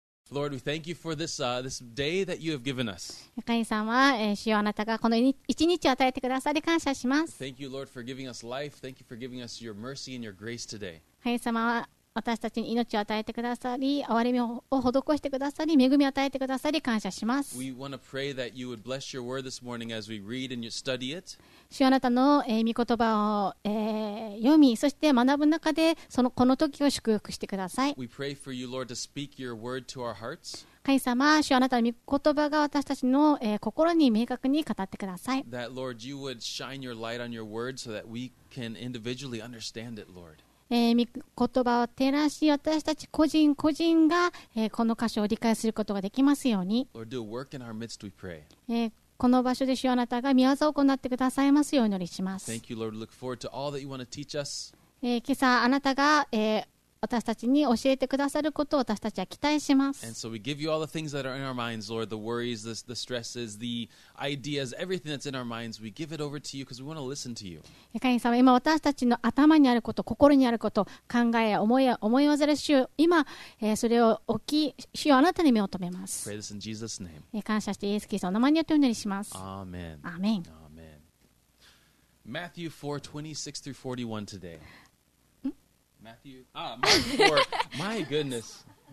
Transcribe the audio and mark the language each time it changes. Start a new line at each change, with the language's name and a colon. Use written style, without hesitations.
English: Lord, we thank you for this, this day that you have given us.
Japanese: 神様、主よあなたがこの一日を与えてくださり感謝します。
English: Thank you, Lord, for giving us life. Thank you for giving us your mercy and your grace today.
Japanese: 神様は私たちに命を与えてくださり、憐れみを施してくださり、恵みを与えてくださり感謝します。
English: We want to pray that you would bless your word this morning as we read and you study it.
Japanese: 主よあなたの御言葉を読み、そして学ぶ中でそのこの時を祝福してください。
English: We pray for you, Lord, to speak your word to our hearts.
Japanese: 神様、主よあなたの御言葉が私たちの心に明確に語ってください。
English: That, Lord, you would shine your light on your word so that we can individually understand it, Lord.
Japanese: 御言葉を照らし、私たち個人個人がこの箇所を理解することができますように。
English: Lord, do a work in our midst, we pray.
Japanese: この場所で主よあなたが御業を行ってくださいますようお祈りします。
English: Thank you, Lord. Look forward to all that you want to teach us.
Japanese: 今朝あなたが、私たちに教えてくださることを私たちは期待します。
English: And so we give you all the things that are in our minds, Lord. The worries, the stresses, the ideas, everything that's in our minds. We give it over to you because we want to listen to you.
Japanese: 神様、今私たちの頭にあること、心にあること、考えや思いをずらし、今、それを置き、主よあなたに目を留めます。
English: Pray this in Jesus' name.
Japanese: 感謝してイエスキリストの名前によってお祈りします。
English: Amen. Amen. Amen. Matthew 4:26-41 todayMatthew 4. My goodness.